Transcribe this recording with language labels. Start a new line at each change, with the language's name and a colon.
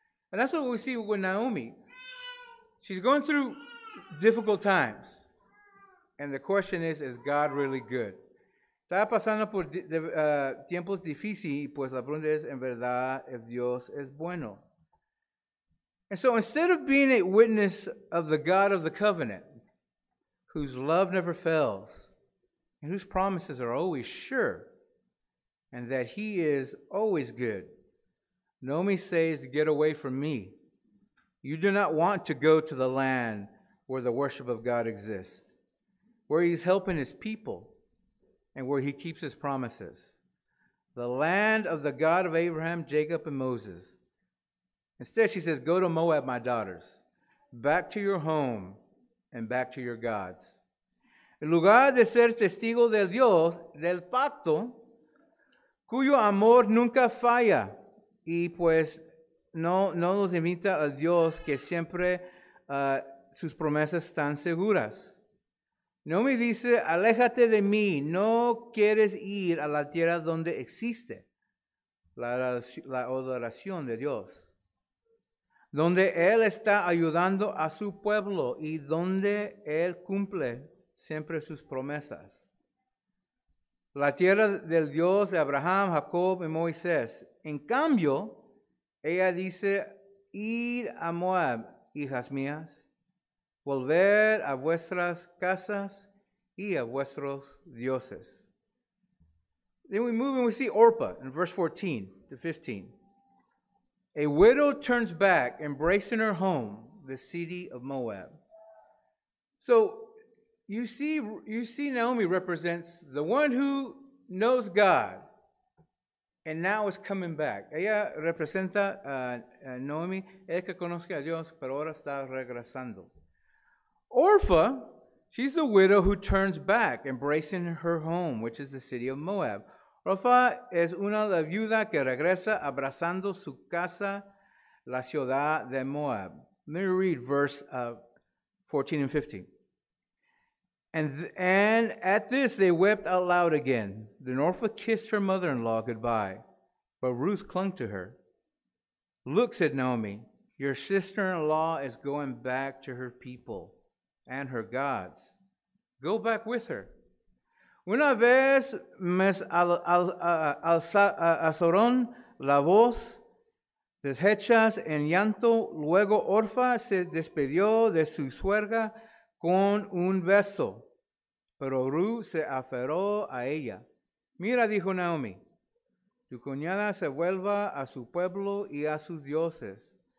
English: And that's what we see with Naomi. She's going through difficult times. And the question is God really good?
Spanish: Está pasando por tiempos difíciles, pues la pregunta es, ¿en verdad if Dios es bueno?
English: And so instead of being a witness of the God of the covenant, whose love never fails, and whose promises are always sure, and that he is always good, Naomi says, get away from me. You do not want to go to the land where the worship of God exists, where he's helping his people, and where he keeps his promises. The land of the God of Abraham, Jacob, and Moses. Instead, she says, go to Moab, my daughters, back to your home and back to your gods.
Spanish: En lugar de ser testigo del Dios, del pacto, cuyo amor nunca falla, y pues no nos invita al Dios que siempre sus promesas están seguras. Naomi dice, aléjate de mí, no quieres ir a la tierra donde existe la adoración de Dios, donde él está ayudando a su pueblo y donde él cumple siempre sus promesas. La tierra del Dios de Abraham, Jacob y Moisés. En cambio, ella dice, ir a Moab, hijas mías, volver a vuestras casas y a vuestros dioses.
English: Then we move and we see Orpah in verse 14-15. A widow turns back, embracing her home, the city of Moab. So, you see, Naomi represents the one who knows God, and now is coming back.
Spanish: Ella representa a Naomi, el que conoce a Dios, pero ahora está regresando.
English: Orpha, she's the widow who turns back, embracing her home, which is the city of Moab.
Spanish: Orfa es una de viuda que regresa abrazando su casa, la ciudad de Moab.
English: Let me read verse 14 and 15. And at this they wept out loud again. Then Orpha kissed her mother-in-law goodbye, but Ruth clung to her. Look, said Naomi, your sister-in-law is going back to her people and her gods. Go back with her.
Spanish: Una vez más alzaron la voz, deshechas en llanto. Luego Orfa se despidió de su suegra con un beso. Pero Ruth se aferró a ella. Mira, dijo Naomi, tu cuñada se vuelva a su pueblo y a sus dioses.